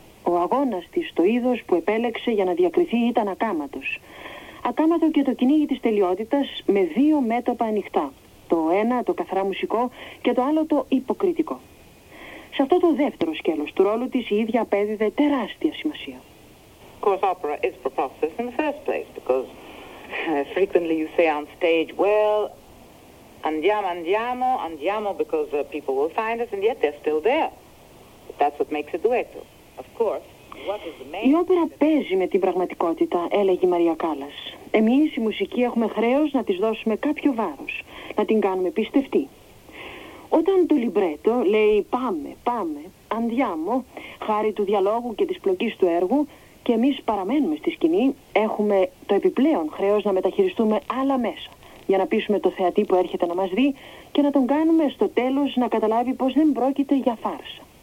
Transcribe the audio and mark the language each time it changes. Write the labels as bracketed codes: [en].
[el] Ο αγώνας της στο είδος που επέλεξε για να διακριθεί ήταν ακάματος. Ακάματο και το κυνήγι της τελειότητας με δύο μέτωπα ανοιχτά. Το ένα το καθαρά μουσικό και το άλλο το υποκριτικό. Σε αυτό το δεύτερο σκέλος του ρόλου της η ίδια απέδιδε τεράστια σημασία. [en] Of course, opera is preposterous in the first place because frequently you say on stage, well, andiamo, because people will find us, and yet they're still there. That's what makes a duetto, of course. [el] Η όπερα παίζει με την πραγματικότητα, έλεγε η Μαρία Κάλλας. Εμείς οι μουσικοί έχουμε χρέος να της δώσουμε κάποιο βάρος, να την κάνουμε πιστευτή. Όταν το λιμπρέτο λέει πάμε, αντιάμο, χάρη του διαλόγου και της πλοκής του έργου, και εμείς παραμένουμε στη σκηνή, έχουμε το επιπλέον χρέος να μεταχειριστούμε άλλα μέσα, για να πείσουμε το θεατή που έρχεται να μας δει και να τον κάνουμε στο τέλος να καταλάβει πως δεν πρόκειται για φάρσα.